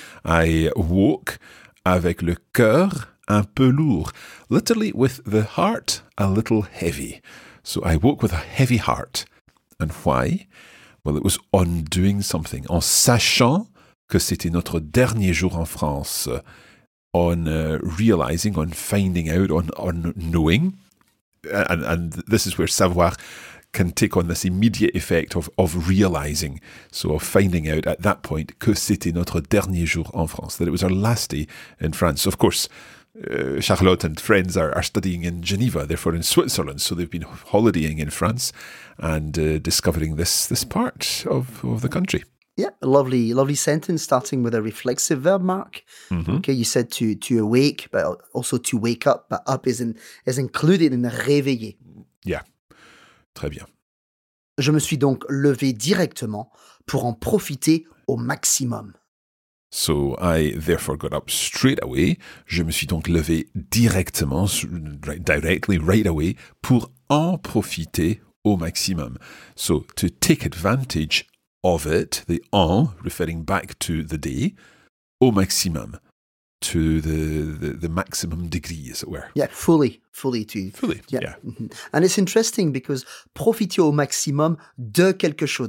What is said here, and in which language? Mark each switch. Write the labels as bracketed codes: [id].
[en] I woke [fr] avec le cœur un peu lourd. [en] Literally, with the heart a little heavy. So I woke with a heavy heart. And why? Well, it was on doing something. [fr] En sachant que c'était notre dernier jour en France. [en] On realizing, on finding out, on knowing. And this is where savoir can take on this immediate effect of realizing, so of finding out at that point [fr] que c'était notre dernier jour en France, [en] that it was our last day in France. Of course, Charlotte and friends are studying in Geneva, therefore in Switzerland, so they've been holidaying in France and discovering this part of the country. Yeah, lovely, lovely sentence starting with a reflexive verb, Mark. Mm-hmm. Okay, you said to awake, but also to wake up, but up is included in réveiller. [fr] Yeah, très bien. Je me suis donc levé directement pour en profiter au maximum. [en] So I therefore got up straight away. [fr] Je me suis donc levé directement, [en] directly, right away, [fr] pour en profiter au maximum. [en] So to take advantage of it, the en, referring back to the day, [fr] au maximum, [en] to the maximum degree, as it were. Yeah, fully to. Fully, yeah. And it's interesting because [fr] profiter au maximum de quelque chose.